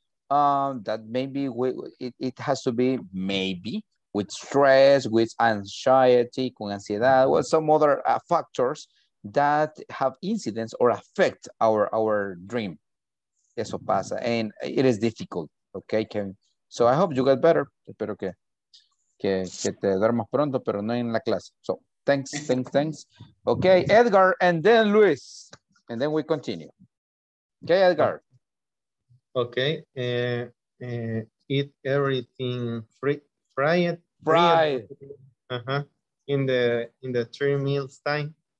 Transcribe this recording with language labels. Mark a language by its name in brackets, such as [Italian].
[English] That maybe it has to be maybe with stress, with anxiety, [Spanish] con ansiedad, [English] or some other factors that have incidence or affect our dream. [Spanish] Eso pasa. [English] And it is difficult. Okay, Kevin. So I hope you get better. [Spanish] Espero que te duermas pronto, pero no en la clase. [English] So thanks. Okay, Edgar, and then Luis, and then we continue. Okay, Edgar. Okay, eat everything fried. Fried. Uh-huh. In the 3 meals time.